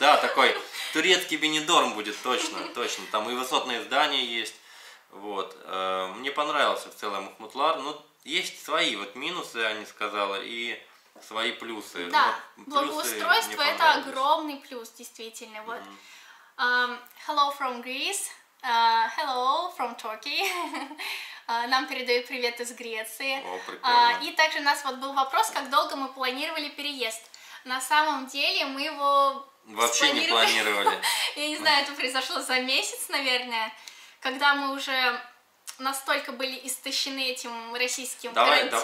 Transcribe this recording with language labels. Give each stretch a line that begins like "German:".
Russian: Да, такой турецкий Бенедорм будет, точно, точно. Там и высотные здания есть. Вот. Мне понравился в целом Махмутлар, есть свои вот минусы, я не сказала, и свои плюсы. Да, благоустройство – это огромный плюс, действительно. Вот.
English: Hello from Greece, hello from Turkey.
Russian: Нам передают привет из Греции. О, прикольно. И также у нас вот был вопрос, как долго мы планировали переезд. На самом деле мы его вообще не планировали. Я не знаю, это произошло за месяц, наверное, когда мы уже настолько были истощены этим российским карантином.